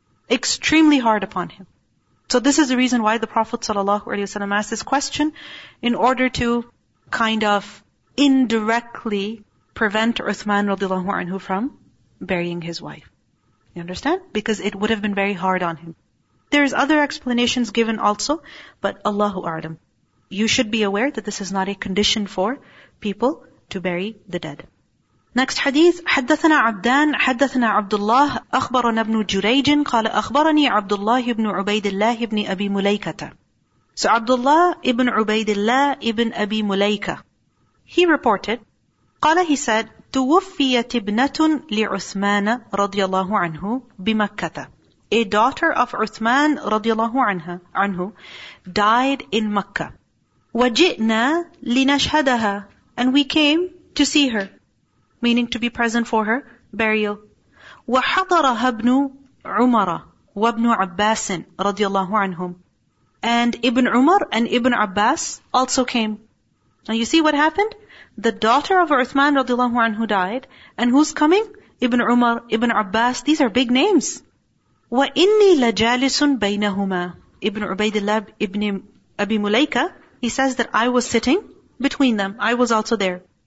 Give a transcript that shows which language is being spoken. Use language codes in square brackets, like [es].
[en] Extremely hard upon him. So this is the reason why the Prophet sallallahu alaihi wasallam asked this question, in order to kind of indirectly prevent Uthman radiallahu anhu from burying his wife. You understand? Because it would have been very hard on him. There's other explanations given also, but Allahu A'lam. You should be aware that this is not a condition for people to bury the dead. Next hadith, [ar] حدثنا عبدان حدثنا عبد الله أخبرنا ابن جريج قال أخبرني عبد الله ابن عبيد الله ابن أبي مليكة. [en] So Abdullah ibn Ubaidillah ibn Abi Mulayka, he reported, قال, he said, [ar] توفيت ابنة لعثمان رضي الله عنه بمكة. [en] A daughter of Uthman رضي الله عنه died in Makkah. [ar] وجئنا لنشهدها, [en] and we came to see her, meaning to be present for her burial. [ar] وحضرها ابن عمر وابن عباس رضي الله عنهم. [en] And Ibn Umar and Ibn Abbas also came. Now you see what happened? The daughter of Uthman radiallahu anhu died. And who's coming? Ibn Umar, Ibn Abbas. These are big names. [ar] وَإِنِّي لَجَالِسٌ بَيْنَهُمَا [en] Ibn Ubaidillah ibn Abi Mulayka, he says that I was sitting between them. I was also there.